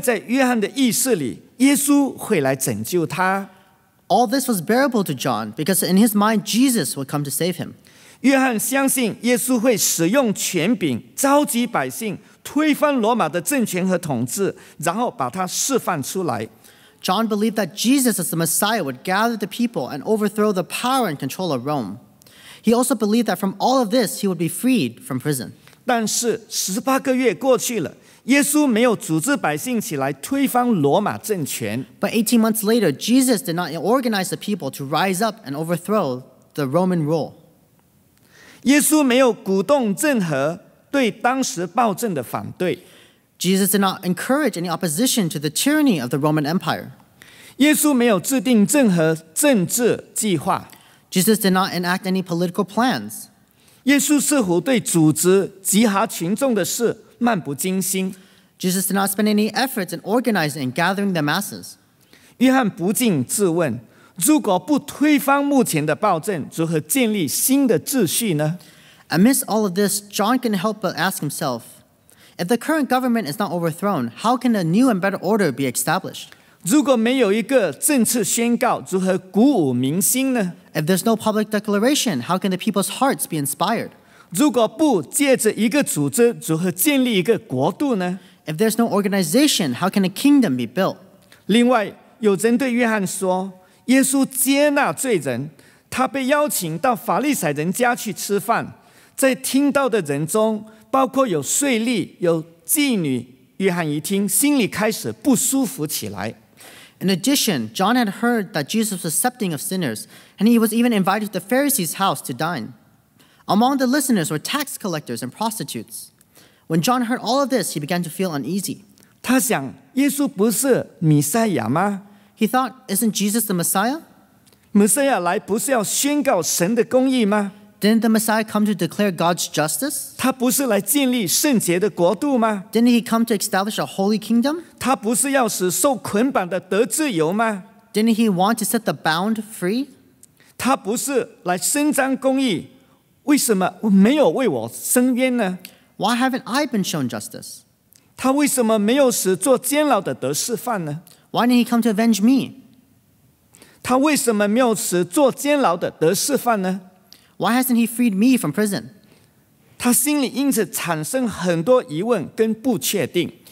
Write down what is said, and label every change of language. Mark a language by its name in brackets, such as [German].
[Chinese] 这一切对约翰来说都是可以忍受的,因为在约翰的意识里,耶稣会来拯救他。 [English] All this was bearable to John because in his mind, Jesus would come to save him. [Chinese] 约翰相信耶稣会使用权柄召集百姓推翻罗马的政权和统治,然后把他释放出来。 [English] John believed that Jesus as the Messiah would gather the people and overthrow the power and control of Rome. He also believed that from all of this, he would be freed from prison. [Chinese] 但是18个月过去了，耶稣没有组织百姓起来推翻罗马政权。 [English] But 18 months later, Jesus did not organize the people to rise up and overthrow the Roman rule. [Chinese] 耶稣没有鼓动政和对当时暴政的反对。 [English] Jesus did not encourage any opposition to the tyranny of the Roman Empire. [Chinese] 耶稣没有制定任何政治计划。 [English] Jesus did not enact any political plans. [Chinese] 耶稣似乎对组织集合群众的事漫不经心。 [English] Jesus did not spend any efforts in organizing and gathering the masses. [Chinese] 约翰不禁自问，如果不推翻目前的暴政，如何建立新的秩序呢？ [English] Amidst all of this, John couldn't help but ask himself,If the current government is not overthrown, how can a new and better order be established? [Chinese] 如果没有一个政策宣告，如何鼓舞民心呢？ [English] If there's no public declaration, how can the people's hearts be inspired? [Chinese] 如果不借着一个组织，如何建立一个国度呢？ [English] If there's no organization, how can a kingdom be built? [Chinese] 另外，有人对约翰说，耶稣接纳罪人，他被邀请到法利赛人家去吃饭，在听到的人中包括有税吏、有妓女，约翰一听，心里开始不舒服起来。 [English] In addition, John had heard that Jesus was accepting of sinners, and he was even invited to the Pharisee's house to dine. Among the listeners were tax collectors and prostitutes. When John heard all of this, he began to feel uneasy. [Chinese] 他想，耶稣不是弥赛亚吗？ [English] He thought, isn't Jesus the Messiah? [Chinese] 弥赛亚来不是要宣告神的公义吗？ [English] Didn't the Messiah come to declare God's justice? [Chinese] 他不是来建立圣洁的国度吗？ [English] Didn't he come to establish a holy kingdom? [Chinese] 他不是要使受捆绑的得自由吗？ [English] Didn't he want to set the bound free? [Chinese] 他不是来伸张公义，为什么没有为我伸冤呢？ [English] Why haven't I been shown justice? [Chinese] 他为什么没有使做监牢的得释放呢？ [English] Why didn't he come to avenge me? [Chinese] 他为什么没有使做监牢的得释放呢？ [English] Why hasn't he freed me from prison? [Chinese] 他心里因此产生很多疑问跟不确定。